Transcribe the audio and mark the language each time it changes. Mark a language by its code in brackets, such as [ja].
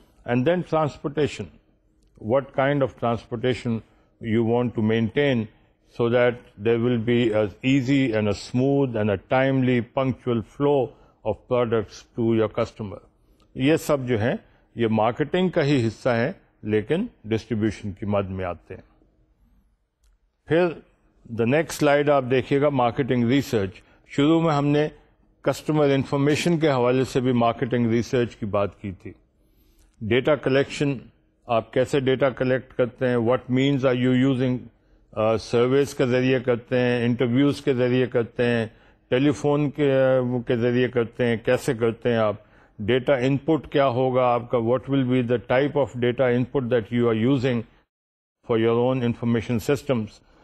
[en] And then transportation, what kind of transportation you want to maintain so that there will be as easy and a smooth and a timely punctual flow of products to your customer. [ur] یہ سب جو ہیں یہ marketing کا ہی حصہ ہے لیکن distribution کی مد میں آتے ہیں. پھر دا نیکسٹ سلائیڈ آپ دیکھیے گا, مارکیٹنگ ریسرچ. شروع میں ہم نے کسٹمر انفارمیشن کے حوالے سے بھی مارکیٹنگ ریسرچ کی بات کی تھی. ڈیٹا کلیکشن, آپ کیسے ڈیٹا کلیکٹ کرتے ہیں, [en] what means are you using, [ur] services کے ذریعے کرتے ہیں, انٹرویوز کے ذریعے کرتے ہیں, ٹیلی فون کے ذریعے کرتے ہیں, کیسے کرتے ہیں آپ, ڈیٹا ان پٹ کیا ہوگا آپ کا, [en] What will be the type of data input that you are using for your own information systems.